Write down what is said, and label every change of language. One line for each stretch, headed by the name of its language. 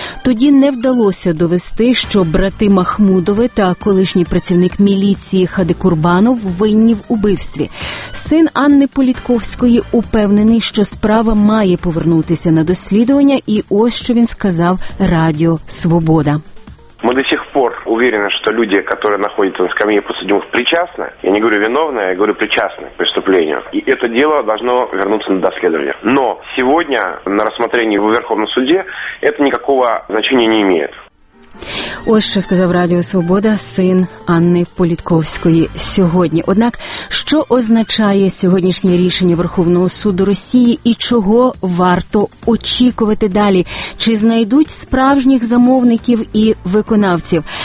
Ukrainian: Тоді не вдалося довести, що брати Махмудови та колишній працівник міліції Хадикурбанов винні в убивстві. Син Анни Політковської упевнений, що справа має повернутися на дослідування, і ось що він сказав радіо «Свобода».
Russian: Мы до сих пор уверены, что люди, которые находятся на скамье подсудимых, причастны. Я не говорю виновные, я говорю причастны к преступлению. И это дело должно вернуться на доследование. Но сегодня на рассмотрении в Верховном суде это никакого значения не имеет.
Ukrainian: Ось що сказав Радіо Свобода син Анни Політковської сьогодні. Однак, що означає сьогоднішнє рішення Верховного суду Росії і чого варто очікувати далі? Чи знайдуть справжніх замовників і виконавців?